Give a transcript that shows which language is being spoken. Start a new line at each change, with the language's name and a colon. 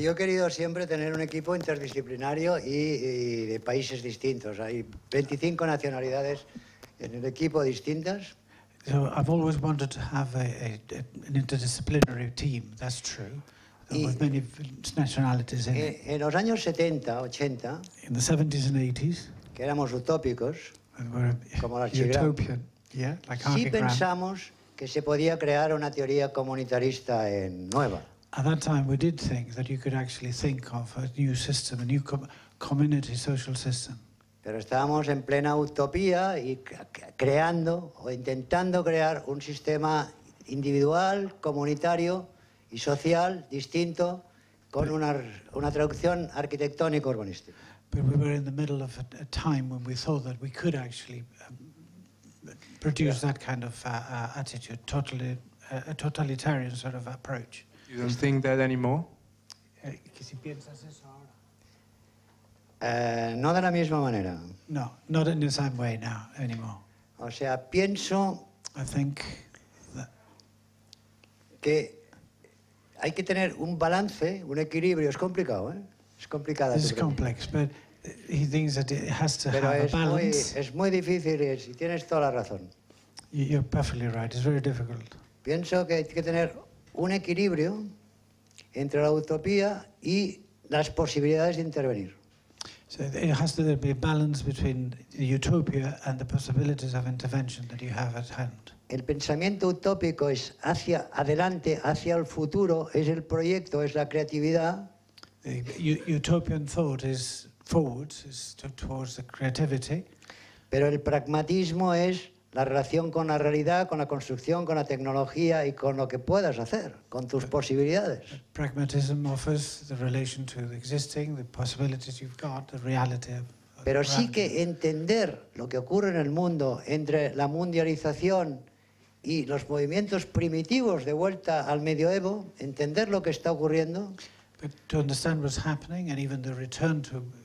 Spanish: Yo he querido siempre tener un equipo interdisciplinario y de países distintos. Hay 25 nacionalidades en el equipo distintas.
English: So I've always wanted to have an interdisciplinary team, that's true, with many nationalities in it.
Spanish: En los años 70, 80,
English: in the 70s and 80s,
Spanish: que éramos utópicos, como la
English: utopian, yeah, like
Spanish: sí pensamos que se podía crear una teoría comunitarista en nueva.
English: At that time, we did think that you could actually think of a new system, a new community social system.
Spanish: Pero estábamos en plena utopía y creando o intentando crear un sistema individual, comunitario y social distinto con una traducción arquitectónica urbanística.
English: But we were in the middle of a time when we thought that we could actually produce yeah. that kind of attitude, a totalitarian sort of approach. You don't think that anymore?
Spanish: ¿Qué si piensas eso ahora? No de la misma manera.
English: No, not in the same way now anymore.
Spanish: O sea, pienso.
English: I think that
Spanish: que hay que tener un balance, un equilibrio. Es complicado, ¿eh? Es complicada.
English: This is complex, but he thinks that it has to
Spanish: Pero
English: have a balance.
Spanish: Pero es muy difícil y tienes toda la razón.
English: You're perfectly right. It's very difficult.
Spanish: Pienso que hay que tener un equilibrio entre la utopía y las posibilidades de intervenir.
English: So it has to be a balance between the utopia and the possibilities of intervention that you have at hand.
Spanish: El pensamiento utópico es hacia adelante, hacia el futuro, es el proyecto, es la creatividad.
English: The utopian thought is forwards, is towards the creativity.
Spanish: Pero el pragmatismo es la relación con la realidad, con la construcción, con la tecnología y con lo que puedas hacer, con tus posibilidades.
English: Pragmatism offers the relation to the existing, the possibilities you've got, the reality of
Spanish: Pero sí que entender lo que ocurre en el mundo entre la mundialización y los movimientos primitivos de vuelta al medioevo, entender lo que está ocurriendo.
English: But to understand what's happening and even the return to,